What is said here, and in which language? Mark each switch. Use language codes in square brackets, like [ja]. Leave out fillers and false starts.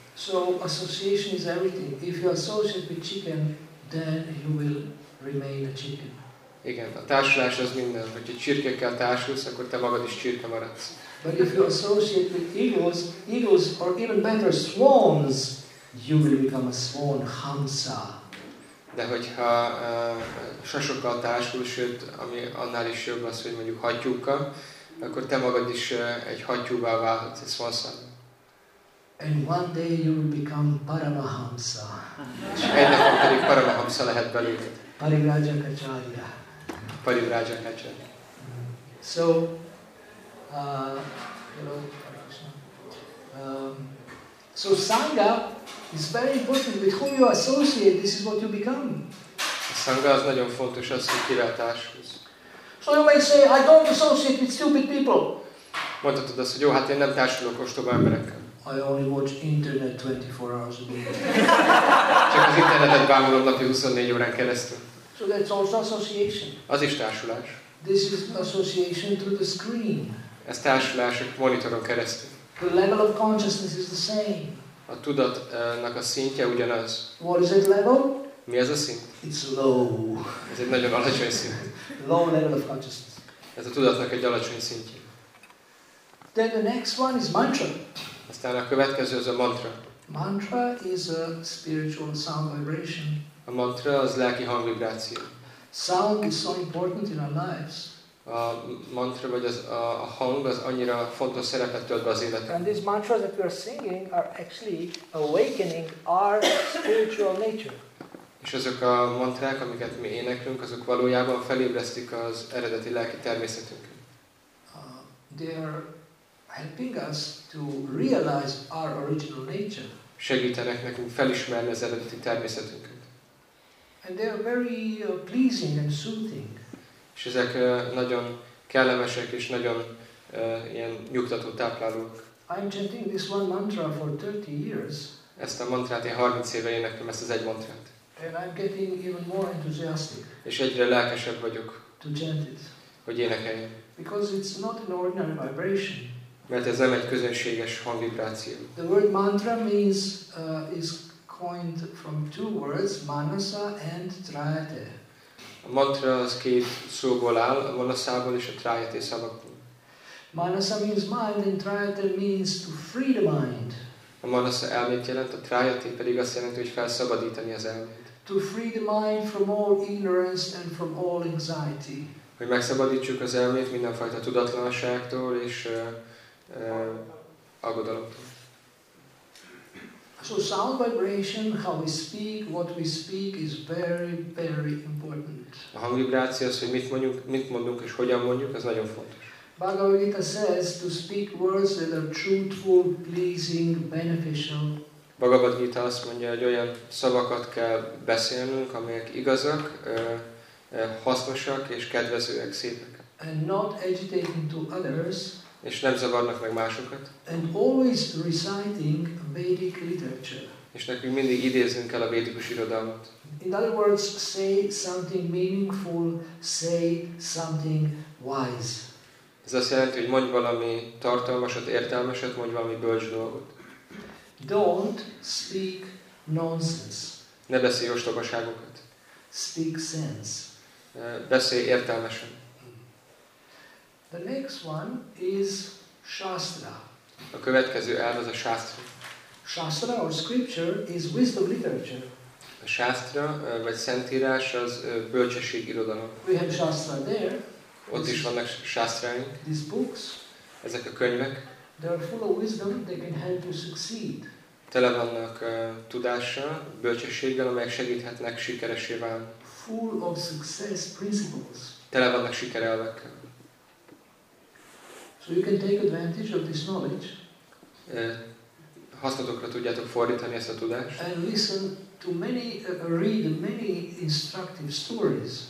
[en] So association is everything. If you associate with chicken, then you will remain a chicken. [hu] Igen. A társulás az minden. Hogy egy csirkékkel társulsz, akkor te magad is csirke maradsz. [en] But if you associate with eagles are even better, swans. You will become a swan, Hamsa. [hu] De hogyha sasokkal társul, sőt, ami annál is jobb az, hogy mondjuk hattyúkkal, akkor te magad is egy hattyúvá válhatsz, egy swanszal. [en] And one day you will become Paramahamsa. [hu] És egy napon pedig Paramahamsa lehet belőled. [en] Parivrajakacharya. [hu] Parivrajakacharya. [en] So, hello, so Sangha is very important. With whom you associate, this is what you become. [hu] A Sangha az nagyon fontos, az, hogy kivel társulsz. [en] So you may say, I don't associate with stupid people. [hu] Mondhatod azt, hogy jó, hát én nem társulok ostoba emberekkel. [en] I only watch internet 24 hours a day. [hu] Csak az internetet bámulom napi 24 órán keresztül. [en] So that's also association. [hu] Az is társulás. [en] This is association through the screen. [hu] Ez társulás a monitoron keresztül. [en] The level of consciousness is the same. [hu] A tudatnak a szintje ugyanaz. [en] What is that level? [hu] Mi az a szint? [en] It's low. [hu] Ez egy nagyon alacsony szint. [en] Low level of consciousness. [hu] Ez a tudatnak egy alacsony szintje. [en] Then the next one is mantra. [hu] Aztán a következő az a mantra. [en] Mantra is a spiritual sound vibration. [hu] A mantra az lelki hangvibráció. [en] Sound is so important in our lives. [hu] A mantra vagy az a hang az annyira fontos szerepet tölt be az életünkben. [en] And these mantras that we are singing are actually awakening our spiritual nature. [hu] És azok a mantrák, amiket mi éneklünk, azok valójában felébresztik az eredeti lelki természetünket. [en] They are helping us to realize our original nature. [hu] Segítenek nekünk felismerni az eredeti természetünket. [en] And they are very pleasing and soothing. [hu] És ezek nagyon kellemesek és nagyon ilyen nyugtató táplálók. [en] I'm chanting this one mantra for 30 years. [hu] Ezt a mantrát én 30 éve énekelem, ezt az egy mantrát. [en] And I'm getting even more enthusiastic. [hu] És egyre lelkesebb vagyok. [en] To chant it. [hu] Hogy énekeljem. [en] Because it's not an ordinary vibration. [hu] Mert ez nem egy közönséges hangvibráció. [en] The word mantra means is coined from two words, manasa and trayate. [hu] A mantra az két szóból áll, a manaszából és a trayate szavakból. [en] Manasa means mind and trayate means to free the mind. [hu] A manasa elmét jelent, a trayate pedig azt jelenti, hogy felszabadítani az elmét. [en] To free the mind from all ignorance and from all anxiety. [hu] Hogy megszabadítsuk az elmét mindenfajta tudatlanságtól és aggodalomtól. [en] So sound vibration, how we speak, what we speak is very, very important. [hu] A hangvibráció az, hogy mit mondunk és hogyan mondjuk, ez nagyon fontos. [en] Bhagavad Gita says to speak words that are truthful, pleasing, beneficial. [hu] Bhagavad Gita azt mondja, hogy olyan szavakat kell beszélnünk, amelyek igazak, hasznosak és kedvezőek, szépek. [en] And not agitating to others. [hu] És nem zavarnak meg másokat. [en] And always reciting Vedic literature. [hu] És nekünk mindig idéznünk kell a védikus irodalmat. [en] In other words, say something meaningful, say something wise. [hu] Ez azt jelenti, hogy mondj valami tartalmasat, értelmeset, mondj valami bölcs dolgot. [en] Don't speak nonsense. [hu] Ne beszélj ostobaságokat. [en] Speak sense. [hu] Beszélj értelmesen. [en] The next one is shastra. [hu] A következő elv az a shastra. [en] Shastra or scripture is wisdom literature. [hu] A shastra vagy szentírás az bölcsesség irodalom. [en] We have shastra there. [hu] Ott is vannak shastráink. [en] These books. [hu] Ezek a könyvek. [en] They are full of wisdom. They can help you succeed. [hu] Tele vannak tudással, bölcsességgel, amelyek segíthetnek sikeressé válni. [en] Full of success principles. [hu] Tele vannak sikerelvekkel. [en] So you can take advantage of this knowledge. [hu] Hasznotokra tudjátok fordítani ezt a tudást. [en] And listen to many, read many instructive stories.